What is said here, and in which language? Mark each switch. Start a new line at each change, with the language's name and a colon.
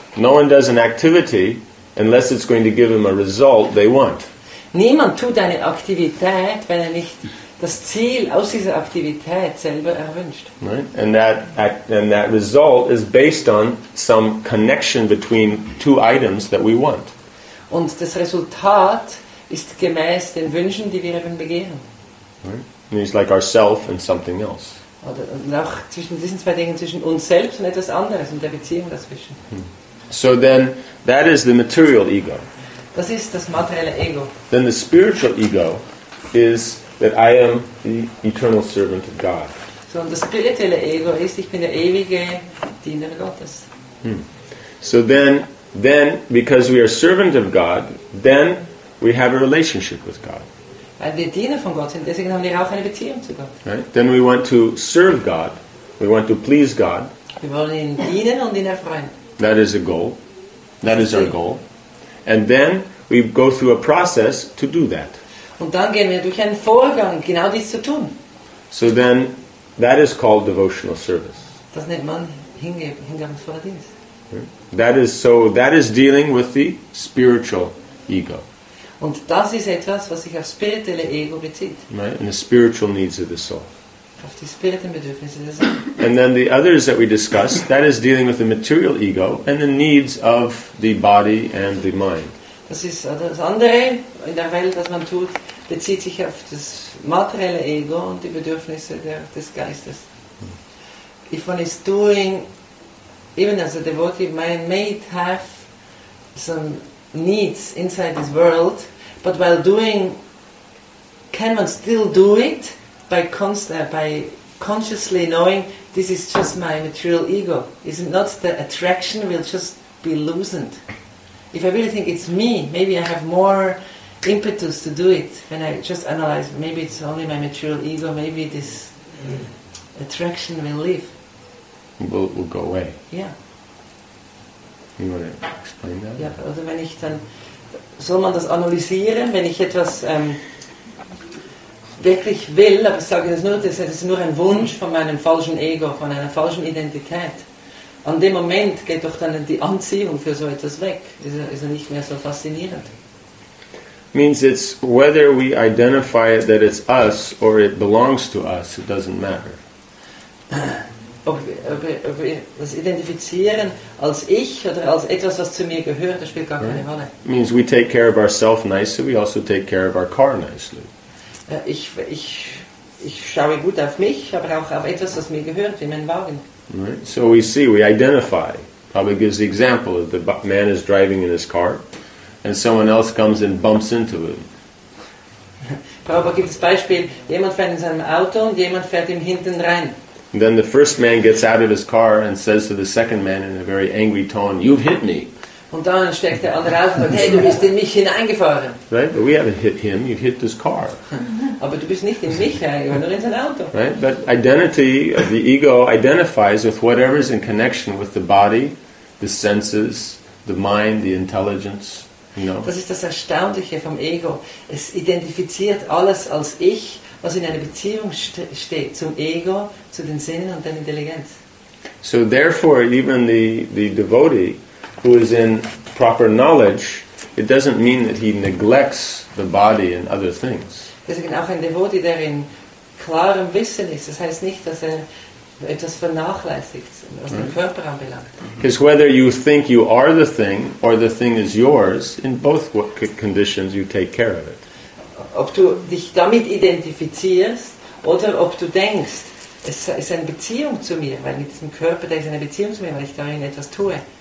English: No one does an activity unless it's going to give them a result they want.
German: Niemand tut eine Aktivität, wenn er nicht das Ziel aus dieser Aktivität selber erwünscht.
English: Right? And that result is based on some connection between two items that we want.
German: Und das Resultat ist gemäß den Wünschen, die wir eben begehren.
English: Right? It's like ourself and something else.
German: Oder auch zwischen diesen zwei Dingen, zwischen uns selbst und etwas anderes und der Beziehung dazwischen.
English: So then, that is the material ego.
German: Das ist das materielle Ego.
English: Then the spiritual ego is that I am the eternal servant of God. So the spiritual ego is,
German: ich bin der ewige Diener Gottes.
English: So then because we are servant of God, then we have a relationship with God.
German: Weil wir Diener von Gott sind, deswegen haben wir auch eine Beziehung zu Gott.
English: Right? Then we want to serve God. We want to please God.
German: Wir wollen ihn dienen und ihn erfreuen.
English: That is a goal. That is our goal. And then we go through a process to do that.
German: Und dann gehen wir durch einen Vorgang, genau dies zu tun.
English: So then, that is called devotional service.
German: Das nennt man Hingabenverdienst.
English: That is dealing with the spiritual ego.
German: Und das ist etwas, was sich auf spirituelle Ego bezieht.
English: Right? And the spiritual needs of the soul.
German: Auf die spirituellen Bedürfnisse der Seele.
English: And then the others that we discuss, that is dealing with the material ego and the needs of the body and the mind.
German: Das ist das andere in der Welt, was man tut, bezieht sich auf das materielle Ego und die Bedürfnisse des Geistes.
English: If one is doing, even as a devotee, man may have some needs inside this world, but while doing, can one still do it by consciously knowing this is just my material ego? Is it not the attraction will just be loosened? If I really think it's me, maybe I have more impetus to do it when I just analyze, maybe it's only my material ego, maybe this attraction will leave. Will go away. Yeah. You want to explain that?
German: Ja, oder wenn ich dann, soll man das analysieren, wenn ich etwas wirklich will, aber ich sage das ist nur ein Wunsch von meinem falschen Ego, von einer falschen Identität. An dem Moment geht doch dann die Anziehung für so etwas weg. Ist er nicht mehr so faszinierend.
English: means it's whether we identify it that it's us or it belongs to us, it doesn't matter.
German: Ob das Identifizieren als ich oder als etwas, was zu mir gehört, das spielt gar keine Rolle.
English: Means we take care of ourselves nicely, we also take care of our car nicely.
German: Ich schaue gut auf mich, aber auch auf etwas, was mir gehört, wie mein Wagen.
English: Right. So we see, we identify. Probably gives the example of the man is driving in his car and someone else comes and bumps into him.
German: Prabhupada gibt das Beispiel, jemand fährt in seinem Auto und jemand fährt ihm hinten rein.
English: Then the first man gets out of his car and says to the second man in a very angry tone, "You've hit me."
German: Und dann steckt der andere auf und sagt, hey, du bist in mich hineingefahren.
English: Right? But we haven't hit him, you've hit this car.
German: Aber du bist nicht in mich hineingefahren, nur in sein Auto.
English: Right? But identity, the ego, identifies with whatever is in connection with the body, the senses, the mind, the intelligence. You know?
German: Das ist das Erstaunliche vom Ego. Es identifiziert alles als ich, was in einer Beziehung steht, zum Ego, zu den Sinnen und der Intelligenz.
English: So therefore, even the devotee, who is in proper knowledge, it doesn't mean that he neglects the body and other things.
German: Deswegen auch ein Devoti, der in klarem Wissen ist, das heißt nicht, dass er etwas vernachlässigt, was den Körper anbelangt.
English: Because whether you think you are the thing or the thing is yours, in both conditions you take care of it.
German: Ob du dich damit identifizierst oder ob du denkst, es ist eine Beziehung zu mir, weil mit diesem Körper, der ist eine Beziehung zu mir, weil ich darin etwas tue.